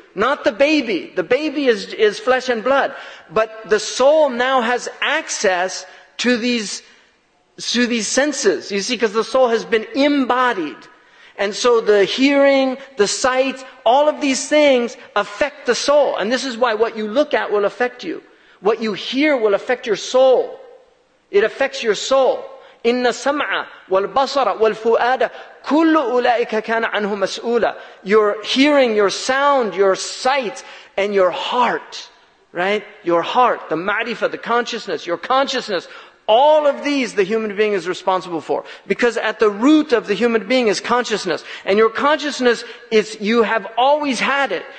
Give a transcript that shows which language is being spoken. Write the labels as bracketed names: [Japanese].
[English] Not the baby. The baby is flesh and blood. But the soul now has access to these senses. You see, because the soul has been embodied. And so the hearing, the sight, all of these things affect the soul. And this is why what you look at will affect you. What you hear will affect your soul. It affects your soul. [Arabic] إن السمع والبصر والفؤاد كل أولئك كان عنه مسؤولا. [English] Your hearing, your sound, your sight, and your heart, right? Your heart, the ma'rifah, the consciousness, your consciousness, all of these the human being is responsible for. Because at the root of the human being is consciousness. And your consciousness is, you have always had it.